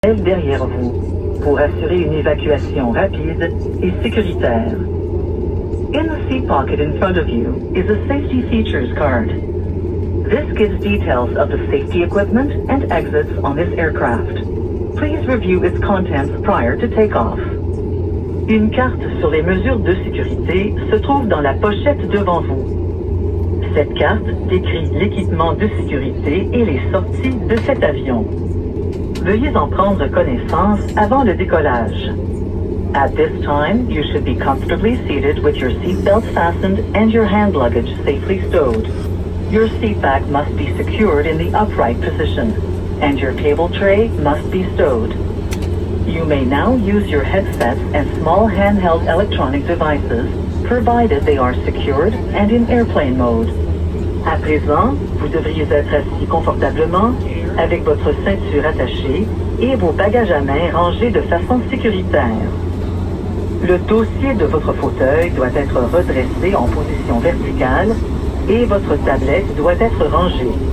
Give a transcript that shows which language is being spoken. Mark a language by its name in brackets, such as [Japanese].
[French] est derrière vous pour assurer une évacuation rapide et sécuritaire. [English] In the seat pocket in front of you is a safety features card. This gives details of the safety equipment and exits on this aircraft. Please review its contents prior to takeoff. [French] Une carte sur les mesures de sécurité se trouve dans la pochette devant vous. Cette carte décrit l'équipement de sécurité et les sorties de cet avion. Veuillez en prendre connaissance avant le décollage. [English] At this time, you should be comfortably seated with your seatbelt fastened and your hand luggage safely stowed. Your seat back must be secured in the upright position, and your table tray must be stowed. You may now use your headsets and small handheld electronic devices, provided they are secured and in airplane mode. [French] À présent, vous devriez être assis confortablement, avec votre ceinture attachée et vos bagages à main rangés de façon sécuritaire. Le dossier de votre fauteuil doit être redressé en position verticale et votre tablette doit être rangée.